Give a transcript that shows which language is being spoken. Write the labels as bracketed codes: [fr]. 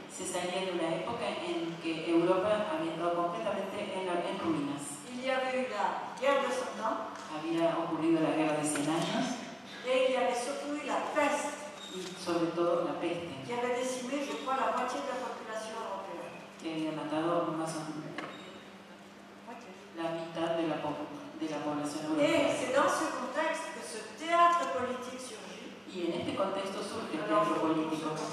[es] Se salía de una época en que Europa había estado completamente en ruinas. [fr] Il y avait eu la guerre de 100 ans. [es] Había ocurrido la guerra de 100 años. [fr] Et il y avait surtout eu la peste. [es] Y sobre todo la peste. [fr] Qui avait décimé, je crois, la moitié de la population européenne. [es] Que había matado más o menos la mitad de la población européenne. [fr] Et c'est dans ce contexte que ce théâtre politique surgit. [es] Y en este contexto surge el teatro político.